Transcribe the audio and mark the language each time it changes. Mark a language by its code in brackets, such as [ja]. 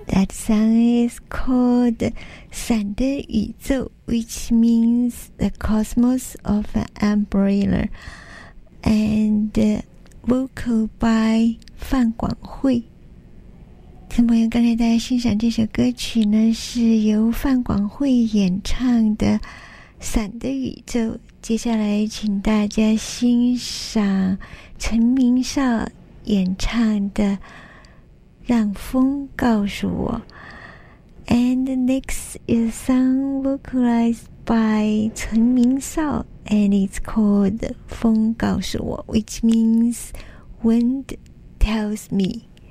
[en] song is called 伞的宇宙 which means the cosmos of an umbrella, and vocal by 范广慧。 [zh] 听朋友，刚才大家欣赏这首歌曲呢，是由范广慧演唱的《伞的宇宙》。接下来，请大家欣赏陈明绍演唱的《让风告诉我》。 [en] And next is a song vocalized by 陈明绍 and it's called《风告诉我》，which means "Wind tells me."